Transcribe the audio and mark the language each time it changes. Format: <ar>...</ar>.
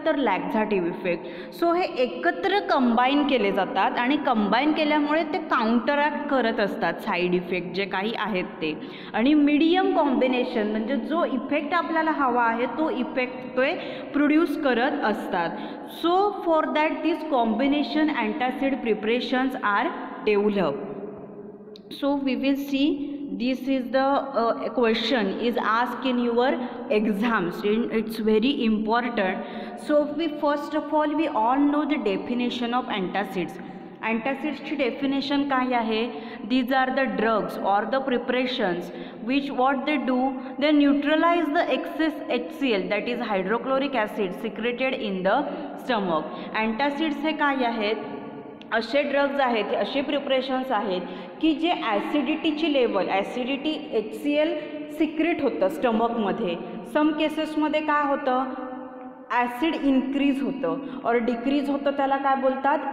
<mr>तर लॅक्झेटिव effect. So हे एकत्र कंबाईन केले जातात, आणि कंबाईन केल्यामुळे ते काउंटरॅक्ट करत असतात साईड इफेक्ट जे काही आहेत ते. आणि मिडियम कॉम्बिनेशन म्हणजे जो इफेक्ट आपल्याला हवा आहे तो इफेक्ट ते प्रोड्यूस करत असतात.</mr> <en>So for that this combination antacid preparations are develop. So we will see, this is the question is asked in your exams, it's very important. So we, first of all, we all know the definition of antacids. Antacids</en> <hi>ki definition kya hai?</hi> <en>These are the drugs or the preparations which, what they do, they neutralize the excess HCl, that is hydrochloric acid, secreted in the stomach.</en> <hi>Antacids hai kya hai?</hi> <mr>असे drugs आहेत, असे preparations आहेत की जे ॲसिडिटीची level, acidity H C L secret होतं स्टमकमध्ये. सम केसेसमध्ये काय होतं? ॲसिड इन्क्रीज होतं और डिक्रीज होतं, त्याला काय बोलतात?</mr>